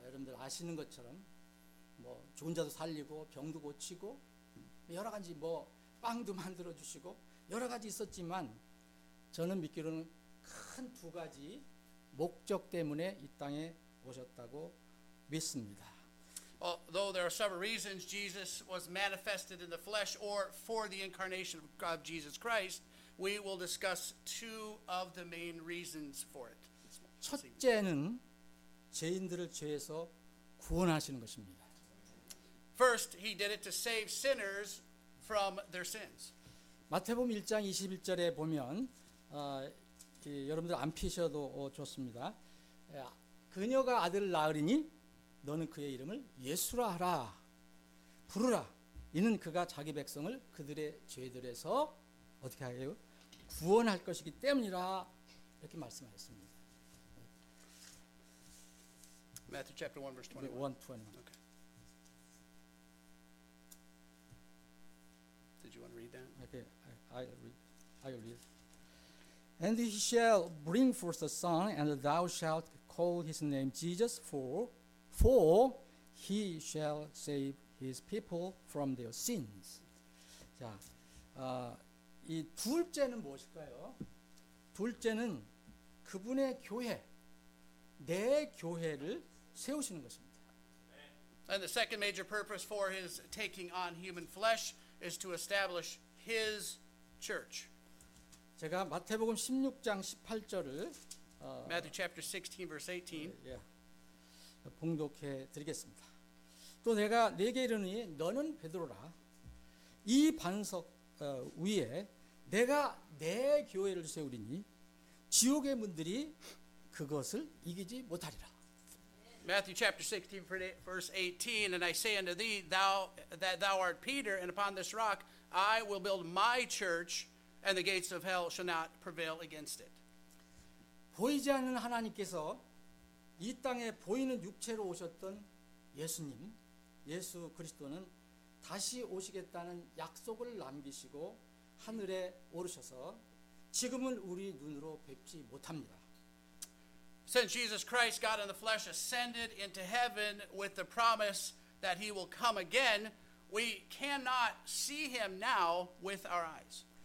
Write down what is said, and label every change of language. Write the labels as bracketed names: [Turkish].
[Korean] 여러분들 아시는 것처럼 뭐 죽은 자도 살리고 병도 고치고 여러 가지 뭐 빵도 만들어 주시고 여러 가지 있었지만 저는 믿기로는 큰 두 가지 목적 때문에 이 땅에 오셨다고 믿습니다. [English] Well, though there are several reasons Jesus was manifested in the flesh or for the incarnation of Jesus Christ, we will discuss two of the main reasons for it. [Korean] 첫째는 죄인들을 죄에서 구원하시는 것입니다. [English] First, he did it to save sinners from their sins. [Korean] 마태복음 1장 21절에 보면 여러분들 안 피셔도 좋습니다. 그녀가 아들을 낳으리니 너는 그의 이름을 예수라 하라. 부르라. 이는 그가 자기 백성을 그들의 죄들에서 어떻게 하여 구원할 것이기 때문이라. 이렇게 말씀하셨습니다. [English] Matthew chapter 1, verse 21. Okay. Did you want to read that? Okay, I'll read. And he shall bring forth a son, and thou shalt call his name Jesus, for he shall save his people from their sins. [Korean] 자, 이 둘째는 무엇일까요? 둘째는 그분의 교회, 내 교회를 세우시는 것입니다. [English] And the second major purpose for his taking on human flesh is to establish his church. [Korean] 제가 마태복음 16장 18절을 [English] Matthew chapter 16 verse 18. [Korean] 봉독해 드리겠습니다. 또 내가 네게 이르노니 너는 베드로라 이 반석 위에 내가 내 교회를 세우리니 지옥의 문들이 그것을 이기지 못하리라. [English] Matthew chapter 16 verse 18 and I say unto thee thou art Peter and upon this rock I will build my church and the gates of hell shall not prevail against it. [Korean] 보이지 않는 하나님께서 이 땅에 보이는 육체로 오셨던 예수님, 예수 그리스도는 다시 오시겠다는 약속을 남기시고 하늘에 오르셔서 지금은 우리 눈으로 뵙지 못합니다. [English] Since Jesus Christ, God in the flesh, ascended into heaven with the promise that he will come again, we cannot see him now with our eyes.